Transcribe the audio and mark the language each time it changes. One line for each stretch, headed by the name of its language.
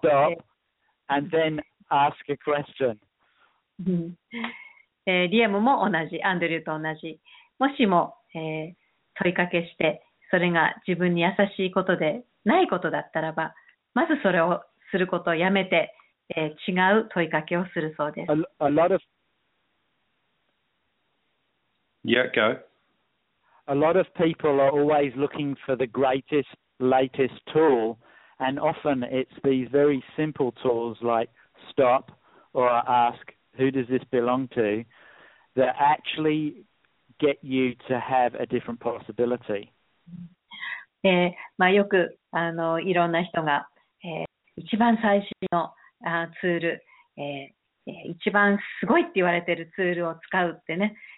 English: Just stop and then ask a question.
Japanese: リアムも同じ、アンドリューと同じ。もしも、問いかけして、それが自分に優しいことでないことだったらば、まずそれをすることをやめて、違う問いかけをするそうです。
English: A lot of... Yeah, go. A lot of people are always looking for the greatest, latest tool, and often it's these very simple tools like stop or ask who does this belong to that actually... get you to have a different possibility.
Japanese: よくいろんな人が、一番最新のツール、一番すごいって言われているツールを使うってね、